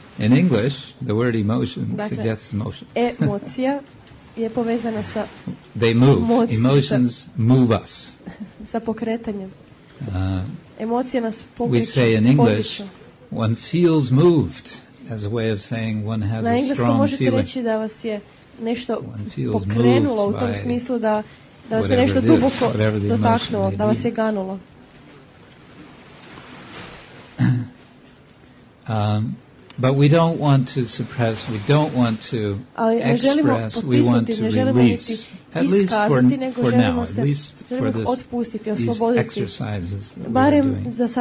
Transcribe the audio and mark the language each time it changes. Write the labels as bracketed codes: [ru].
[en] In English, the word emotion suggests emotion. [hr] Emocija je povezana sa [en] they move. Emotions move us. [hr] Sa pokretanjem. Emocije nas pokreću. [en] We say in English, one feels moved as a way of saying one has a strong feeling. [hr] Možete reći da vas je nešto pokrenulo u tom smislu da vas je nešto duboko dotaknulo, da vas je ganulo. [en] But we don't want to suppress, we don't want to express, we want to release, at least for now, at least for these exercises that we're doing.